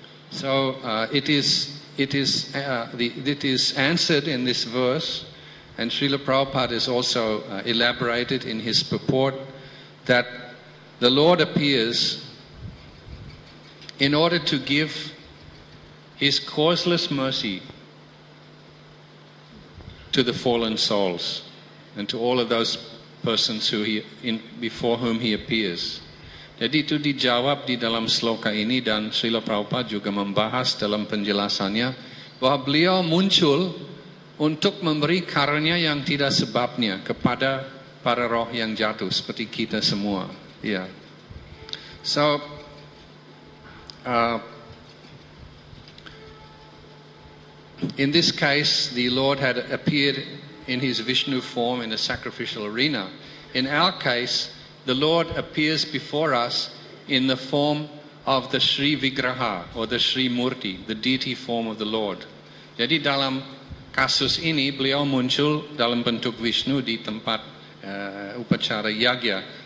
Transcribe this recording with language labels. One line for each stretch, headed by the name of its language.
English: So it is answered in this verse, and Srila Prabhupada has also elaborated in his purport that the Lord appears in order to give his causeless mercy to the fallen souls and to all of those persons who before whom he appears.
Indonesian: Jadi itu dijawab di dalam sloka ini, dan Srila Prabhupada juga membahas dalam penjelasannya bahwa beliau muncul untuk memberi karunia yang tidak sebabnya kepada para roh yang jatuh seperti kita semua. Ya. Yeah.
English: So in this case the Lord had appeared in his Vishnu form in a sacrificial arena. In our case, the Lord appears before us in the form of the Sri Vigraha or the Sri Murti, the deity form of the Lord.
Indonesian: Jadi dalam kasus ini beliau muncul dalam bentuk Vishnu di tempat upacara yagya.